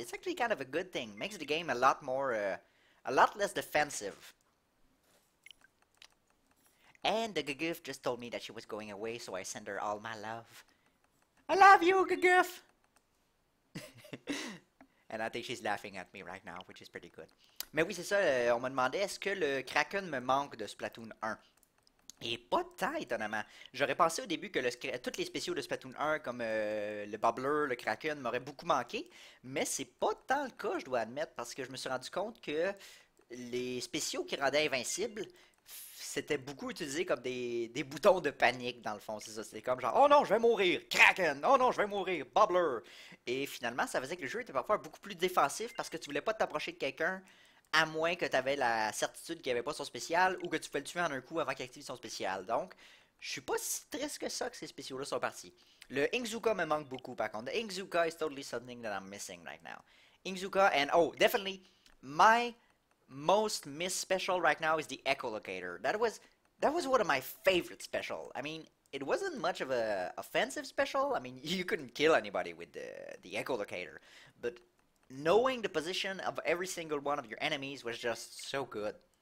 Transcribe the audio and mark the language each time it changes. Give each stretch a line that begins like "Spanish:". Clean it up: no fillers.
English: It's actually kind of a good thing. Makes the game a lot more, a lot less defensive. And the Gagoof just told me that she was going away, so I send her all my love. I love you, Gagoof! And I think she's laughing at me right now, which is pretty good.
French: Mais oui, c'est ça, on m'a demandé est-ce que le Kraken me manque de Splatoon 1? Et pas tant, étonnamment. J'aurais pensé au début que toutes les spéciaux de Splatoon 1, comme le Bubbler, le Kraken, m'auraient beaucoup manqué. Mais c'est pas tant le cas, je dois admettre, parce que je me suis rendu compte que les spéciaux qui rendaient invincible, c'était beaucoup utilisé comme des boutons de panique, dans le fond. C'est ça, c'était comme genre, oh non, je vais mourir, Kraken, oh non, je vais mourir, Bubbler. Et finalement, ça faisait que le jeu était parfois beaucoup plus défensif parce que tu voulais pas t'approcher de quelqu'un. À moins que tu avais la certitude qu'il n'y avait pas son spécial ou que tu peux le tuer en un coup avant qu'il active son spécial. Donc, je suis pas si triste que ça que ces spéciaux-là sont partis. Le Inkzooka me manque beaucoup, par contre.
English: The Inkzooka is totally something that I'm missing right now. Inkzooka and, oh, definitely, my most missed special right now is the Echolocator. That was one of my favorite specials. I mean, it wasn't much of a offensive special. I mean, you couldn't kill anybody with the Echolocator. But knowing the position of every single one of your enemies was just so good.